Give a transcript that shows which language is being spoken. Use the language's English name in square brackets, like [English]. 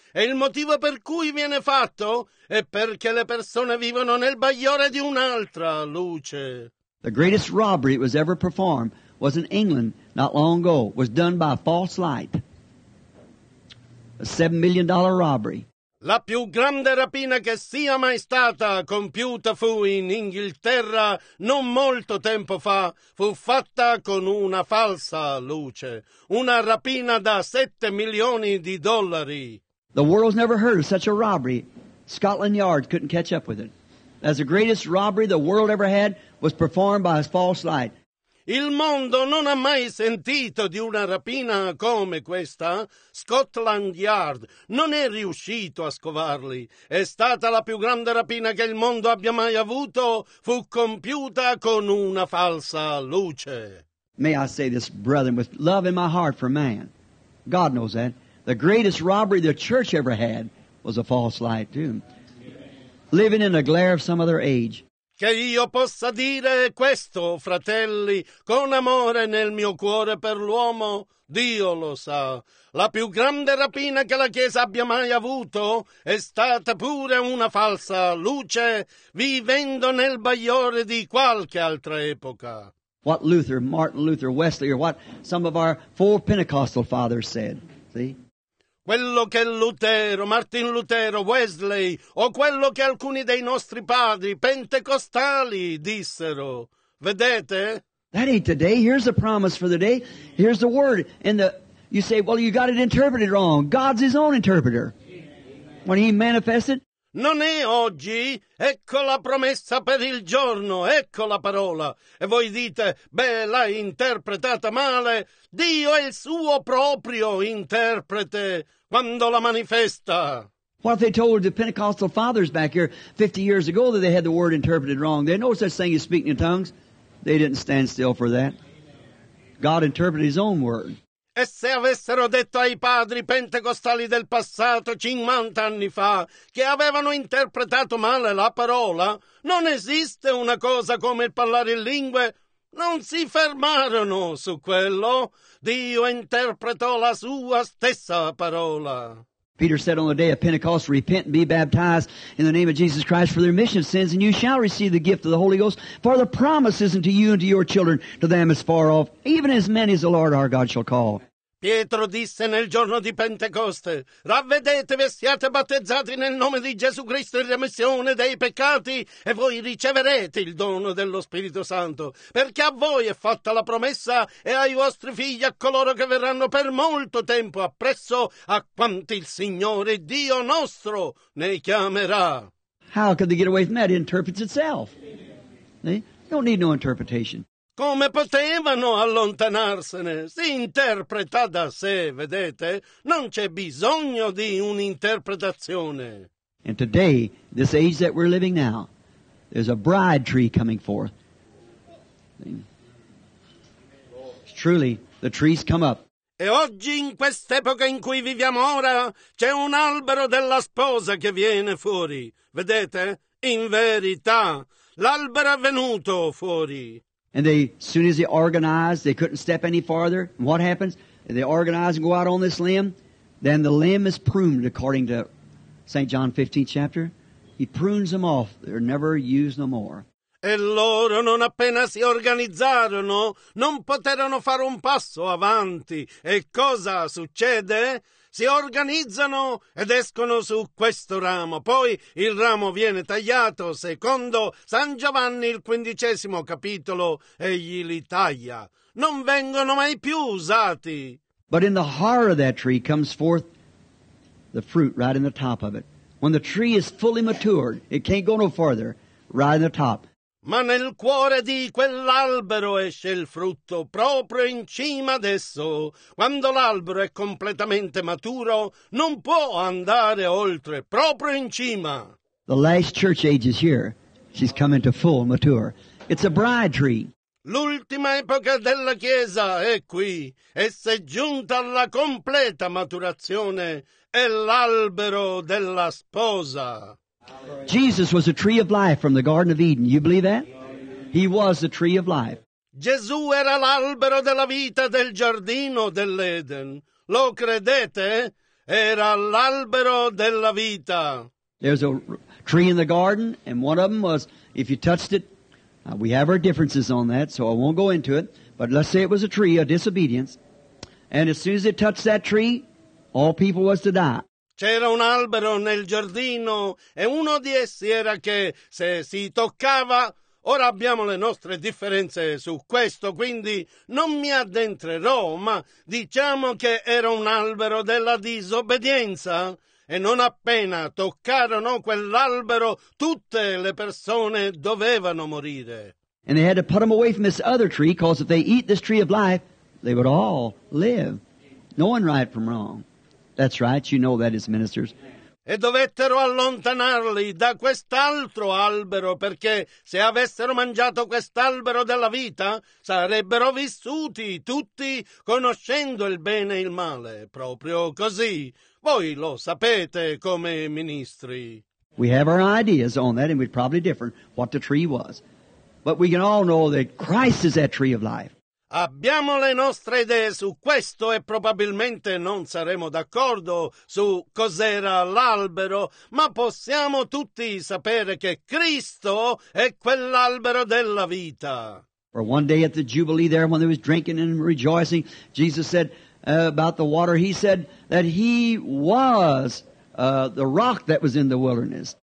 [Italian] E il motivo per cui viene fatto è perché le persone vivono nel bagliore di un'altra luce. [English] The greatest robbery that was ever performed was in England not long ago. It was done by a false light. A $7 million robbery. [Italian] La più grande rapina che sia mai stata compiuta fu in Inghilterra non molto tempo fa. Fu fatta con una falsa luce. Una rapina da $7 million. [English] The world's never heard of such a robbery. Scotland Yard couldn't catch up with it. As the greatest robbery the world ever had was performed by a false light. [Italian] Il mondo non ha mai sentito di una rapina come questa. Scotland Yard non è riuscito a scovarli. È stata la più grande rapina che il mondo abbia mai avuto. Fu compiuta con una falsa luce. [English] May I say this, brethren, with love in my heart for man. God knows that. The greatest robbery the church ever had was a false light too. Living in the glare of some other age. [Italian] Che io possa dire questo, fratelli, con amore nel mio cuore per l'uomo, Dio lo sa. La più grande rapina che la Chiesa abbia mai avuto è stata pure una falsa luce, vivendo nel bagliore di qualche altra epoca. [English] What Luther, Martin Luther, Wesley, or what some of our four Pentecostal fathers said, see? [Italian] Quello che Lutero, Martin Lutero, Wesley, o quello che alcuni dei nostri padri pentecostali dissero. Vedete? [English] That ain't today. Here's the promise for the day. Here's the word. And you say, well, you got it interpreted wrong. God's his own interpreter. When he manifested. [Italian] Non è oggi. Ecco la promessa per il giorno. Ecco la parola. E voi dite, beh, l'hai interpretata male. Dio è il suo proprio interprete quando la manifesta. [English] What they told the Pentecostal fathers back here 50 years ago that they had the word interpreted wrong. There's no such thing as speaking in tongues. They didn't stand still for that. God interpreted his own word. [Italian] E se avessero detto ai padri pentecostali del passato 50 anni fa che avevano interpretato male la parola, non esiste una cosa come il parlare in lingue, non si fermarono su quello. Dio interpretò la sua stessa parola. [English] Peter said on the day of Pentecost, repent and be baptized in the name of Jesus Christ for the remission of sins, and you shall receive the gift of the Holy Ghost. For the promise is unto you and to your children, to them as far off, even as many as the Lord our God shall call. [Italian] Pietro disse nel giorno di Pentecoste: ravvedetevi e siate battezzati nel nome di Gesù Cristo in remissione dei peccati e voi riceverete il dono dello Spirito Santo, perché a voi è fatta la promessa e ai vostri figli, a coloro che verranno per molto tempo appresso, a quanti il Signore Dio nostro ne chiamerà. [English] How could they get away from that? It interprets itself. You don't need no interpretation. [Italian] Come potevano allontanarsene? Si interpreta da sé, vedete? Non c'è bisogno di un'interpretazione. [English] And today, this age that we're living now, there's a bride tree coming forth. It's truly, the trees come up. [Italian] E oggi, in quest'epoca in cui viviamo ora, c'è un albero della sposa che viene fuori. Vedete? In verità, l'albero è venuto fuori. [English] And they, as soon as they organized, they couldn't step any farther. And what happens? They organize and go out on this limb. Then the limb is pruned, according to St. John 15th chapter. He prunes them off. They're never used no more. [Italian] E loro, non appena si organizzarono, non poterono fare un passo avanti. E cosa succede? Si organizzano ed escono su questo ramo. Poi il ramo viene tagliato, secondo San Giovanni il 15° capitolo, egli li taglia. Non vengono mai più usati. [English] But in the heart of that tree comes forth the fruit right in the top of it. When the tree is fully matured, it can't go no farther, right in the top. [Italian] Ma nel cuore di quell'albero esce il frutto, proprio in cima ad esso. Quando l'albero è completamente maturo, non può andare oltre, proprio in cima. [English] The last church age is here. She's coming to full mature. It's a bride tree. [Italian] L'ultima epoca della Chiesa è qui. Essa è giunta alla completa maturazione. È l'albero della sposa. [English] Jesus was a tree of life from the Garden of Eden. You believe that? He was the tree of life. [Italian] Gesù era l'albero della vita del giardino dell'Eden. Lo credete? Era l'albero della vita. [English] There's a tree in the garden, and one of them was, if you touched it, we have our differences on that, so I won't go into it, but let's say it was a tree of disobedience, and as soon as it touched that tree, all people was to die. [Italian] C'era un albero nel giardino e uno di essi era che se si toccava, ora abbiamo le nostre differenze su questo, quindi non mi addentrerò, ma diciamo che era un albero della disobbedienza e non appena toccarono quell'albero tutte le persone dovevano morire. [English] And they had to put them away from this other tree, because if they eat this tree of life, they would all live, knowing right from wrong. That's right, you know that as ministers. [Italian] E dovettero allontanarli da quest'altro albero, perché se avessero mangiato quest'albero della vita, sarebbero vissuti tutti conoscendo il bene e il male, proprio così. Voi lo sapete come ministri. [English] We have our ideas on that, and we'd probably differ what the tree was. But we can all know that Christ is that tree of life. [Italian] Abbiamo le nostre idee su questo e probabilmente non saremo d'accordo su cos'era l'albero, ma possiamo tutti sapere che Cristo è quell'albero della vita. [English] For one day at the Jubilee there, when they was drinking and rejoicing, Jesus said about the water, he said that he was the rock that was in the wilderness.